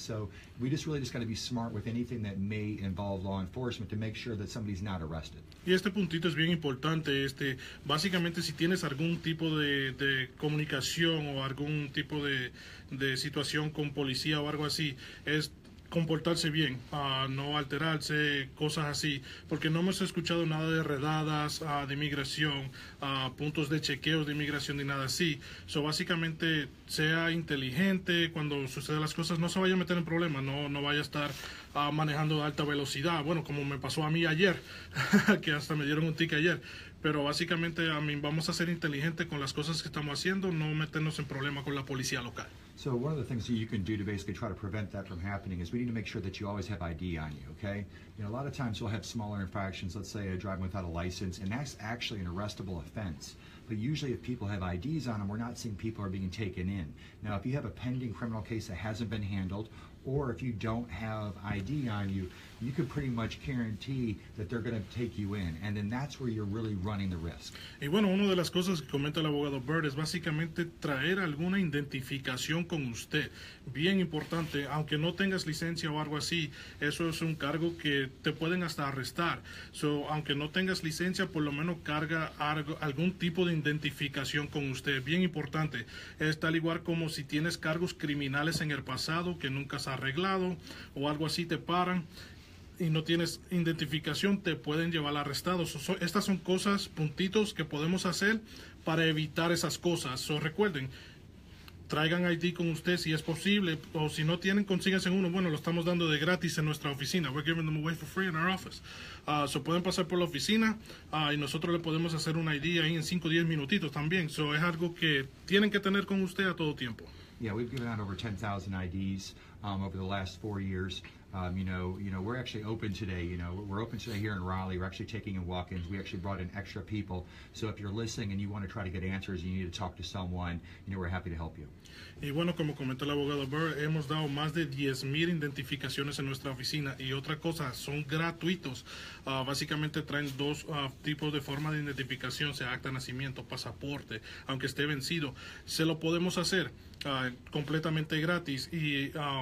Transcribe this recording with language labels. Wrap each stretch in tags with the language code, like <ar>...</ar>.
<en>So we just really just got to be smart with anything that may involve law enforcement to make sure that somebody's not arrested.</en> <es>Y este puntito es bien importante. Básicamente, si tienes algún tipo de comunicación o algún tipo de situación con policía o algo así, es comportarse bien, no alterarse, cosas así, porque no hemos escuchado nada de redadas de inmigración, puntos de chequeos de inmigración ni nada así. So, básicamente, sea inteligente cuando sucedan las cosas, no se vaya a meter en problemas, no vaya a estar manejando a alta velocidad. Bueno, como me pasó a mí ayer, que hasta me dieron un ticket ayer. Pero básicamente,</es> <en>I mean,</en> <es>vamos a ser inteligentes con las cosas que estamos haciendo, no meternos en problemas con la policía local.</es> <en>So one of the things that you can do to basically try to prevent that from happening is we need to make sure that you always have ID on you, okay? You know, a lot of times we'll have smaller infractions, let's say a driving without a license, and that's actually an arrestable offense. But usually if people have IDs on them, we're not seeing people are being taken in. Now, if you have a pending criminal case that hasn't been handled, or if you don't have ID on you, you can pretty much guarantee that they're going to take you in. And then that's where you're really running the risk.</en> <es>Y bueno, una de las cosas que comenta el abogado Bird es básicamente traer alguna identificación con usted. Bien importante, aunque no tengas licencia o algo así, eso es un cargo que te pueden hasta arrestar. So, aunque no tengas licencia, por lo menos carga algún tipo de identificación con usted. Bien importante. Es tal igual como si tienes cargos criminales en el pasado que nunca arreglado o algo así, te paran y no tienes identificación, te pueden llevar arrestado. Estas son cosas, puntitos que podemos hacer para evitar esas cosas. So, recuerden, traigan ID con usted si es posible, o si no tienen, consíguense uno. Bueno, lo estamos dando de gratis en nuestra oficina.</es> <en>We're giving them away for free in our office.</en> <es>So pueden pasar por la oficina y nosotros le podemos hacer un ID ahí en 5 o 10 minutitos también. So es algo que tienen que tener con usted a todo tiempo.</es> <en>Yeah, we've given out over 10,000 IDs over the last 4 years. You know, we're actually open today. You know, we're open today here in Raleigh. We're actually taking in walk-ins. We actually brought in extra people. So if you're listening and you want to try to get answers, you need to talk to someone, you know, we're happy to help you.</en> <es>Y bueno, como comentó el abogado Burr, hemos dado más de 10,000 identificaciones en nuestra oficina. Y otra cosa, son gratuitos. Básicamente traen dos tipos de forma de identificación, sea acta de nacimiento, pasaporte, aunque esté vencido. Se lo podemos hacer completamente gratis. Y</es>